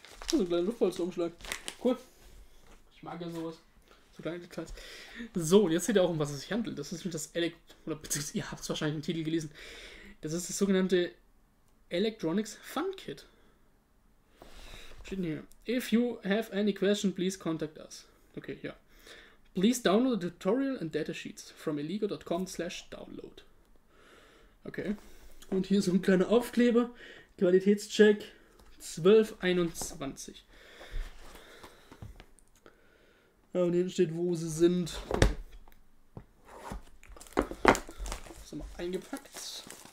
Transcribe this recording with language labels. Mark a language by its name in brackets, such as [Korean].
[German] So ein kleiner Luftpolsterumschlag. Cool. Ich mag ja sowas. So kleine Details. So, jetzt seht ihr auch, um was es sich handelt. Das ist das oder beziehungsweise ihr habt es wahrscheinlich im Titel gelesen. Das ist das sogenannte Electronics Fun Kit. Steht hier. [English] If you have any question, please contact us. Okay, ja. Yeah. Please download the tutorial and data sheets from illego.com/download. Okay. [German] Und hier so ein kleiner Aufkleber. Qualitätscheck 1221. Ja, und hier steht, wo sie sind. Okay. So, mal eingepackt.